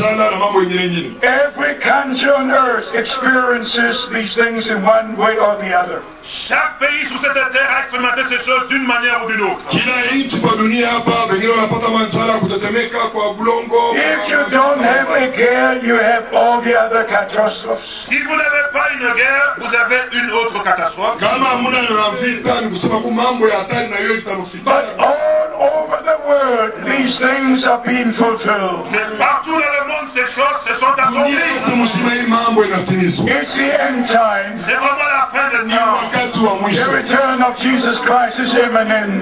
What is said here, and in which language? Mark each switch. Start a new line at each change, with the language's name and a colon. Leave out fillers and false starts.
English: Every country on earth experiences these things in one way or the other.
French: Chaque pays sur cette terre a expérimenté ces choses d'une manière ou d'une autre.
Swahili: Kila nchi kwa dunia hapa wengine wanapata manjala kutetemeka kwa bulongo.
English: If you don't have a guerre, you have all the other catastrophes.
French: Si vous n'avez pas une guerre, vous avez une autre catastrophe.
Swahili: Kama hamuna na vita ni kusema kwa mambo ya hatari na hiyo itakufika.
English: Over the world, these things are being fulfilled. It's the end times. The return of Jesus Christ is imminent.